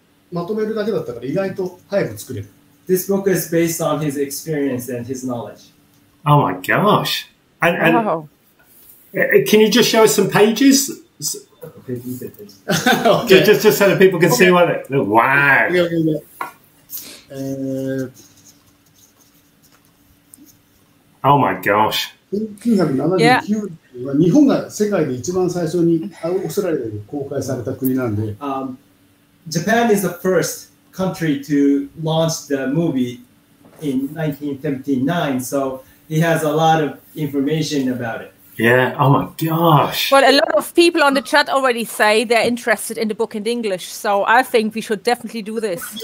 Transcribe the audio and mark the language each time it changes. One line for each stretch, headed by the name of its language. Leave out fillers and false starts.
Japanese: まとめるだけだったから意外と早く作れる。
English: This book is based on his experience and his knowledge. Oh my gosh! And can you just show us some pages? okay. Just so that people can see what it. Wow! Okay. Oh my gosh! Yeah.
Japanese: 日本が世界で一番最初にオーストラリアで公開された国なんで、
English: Japan is the first country to launch the movie in 1979, so he has a lot of information about it. Yeah, oh my gosh. Well, a lot of people on the chat already say they're interested in the book in English, so I think we should definitely do this.